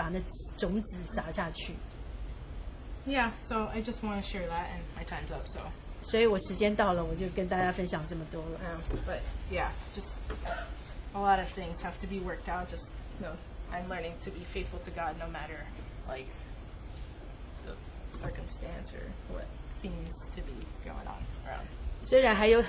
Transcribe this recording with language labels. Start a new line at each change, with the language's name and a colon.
Chinese: 那对我来说，这是一个鼓励，因为我知道神在人的心中做事，而我的工作可能只是把那种子撒下去。Yeah,
English: so I just want to share that, and my time's up. So.
Chinese: 所以我时间到了，我就跟大家分享这么多了。
English: But yeah, just a lot of things have to be worked out. Just I'm learning to be faithful to God no matter like the circumstance or what seems to be going on around.